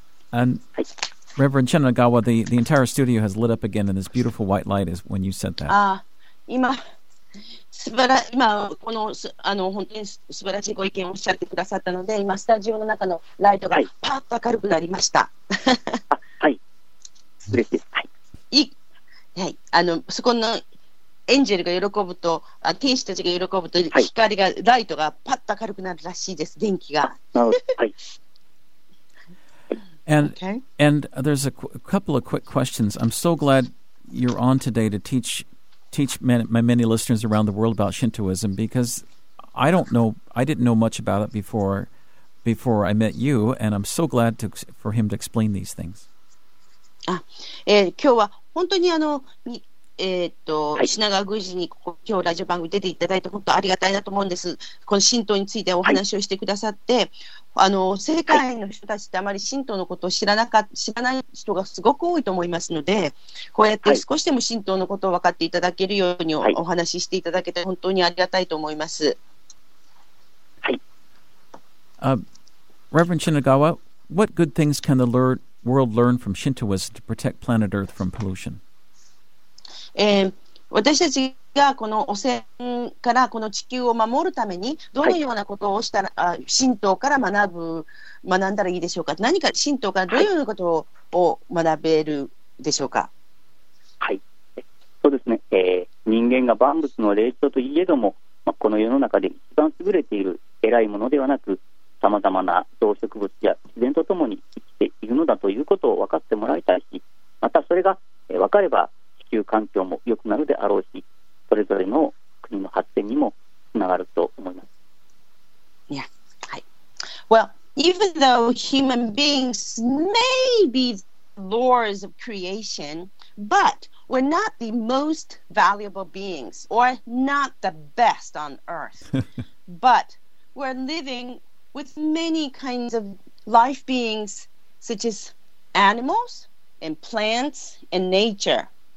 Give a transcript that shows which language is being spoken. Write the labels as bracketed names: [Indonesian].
[English] And Reverend Shinagawa, the entire studio has lit up again in this beautiful white light as when you said that. [Japanese] 今この本当に素晴らしいご意見をおっしゃってくださったので、今スタジオの中のライトがパッと明るくなりました。はい。嬉しいです。そこのエンジェルが喜ぶと、天使たちが喜ぶと光が、はい、ライトがパッと明るくなるらしいです、元気が。 [English] And, okay. and there's a couple of quick questions. I'm so glad you're on today to teach my many listeners around the world about Shintoism, because I didn't know much about it before I met you, and I'm so glad for him to explain these things. [Japanese] 今日は本当に品川宮司に今日ラジオ番組出ていただいて本当ありがたいなと思うんです。この神道についてお話をしてくださって、はい、世界の人たちってあまり神道のことを知らない人がすごく多いと思いますので、こうやって少しでも神道のことを分かっていただけるようにお話ししていただけて本当にありがたいと思います。はい、 [English] Reverend Shinagawa, what good things can the world learn from Shintoism to protect planet Earth from pollution? [Japanese] 私たちがこの汚染からこの地球を守るためにどのようなことをしたら、はい、神道から学んだらいいでしょうか。何か神道からどのようなことを学べるでしょうか。はい、そうですね、人間が万物の霊長といえども、まあ、この世の中で一番優れている偉いものではなく、さまざまな動植物や自然とともに生きているのだということを分かってもらいたいし、またそれが分かれば地球環境も良くなるであろうし、それぞれの国の発展にもつながると思います。 [English] Yeah. Well, even though human beings may be lords of creation, but we're not the most valuable beings or not the best on earth. But we're living with many kinds of life beings, such as animals and plants and nature.